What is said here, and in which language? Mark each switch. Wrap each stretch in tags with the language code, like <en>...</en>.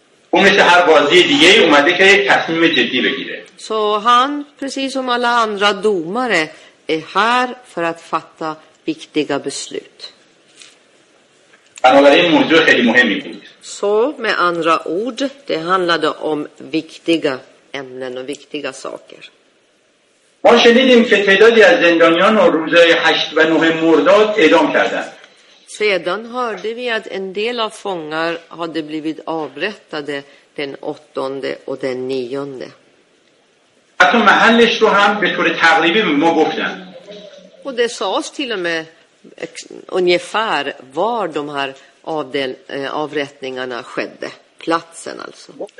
<fa>اون مثل هر بازی دیگه اومده که یک تصمیم جدی بگیره.</fa> <sv>Så han precis som alla andra domare är här för att fatta viktiga beslut.</sv> <fa>بنابراین موضوع خیلی مهمی بود.</fa> <sv>Så med andra ord det handlade om viktiga ämnen och viktiga saker.</sv> <fa>ما شنیدیم که تعدادی از زندانیان رو روزهای 8 و 9 مرداد اعدام کردن.</fa> <sv>Sedan hörde vi att en del av fångar hade blivit avrättade den 8 och den 9.</sv> <fa>حتی محلش رو هم به طور تقریبی ما گفتن.</fa> <sv>و ده ساس تیلمه ungefär var de här avrättningarna skedde, platsen alltså.</sv>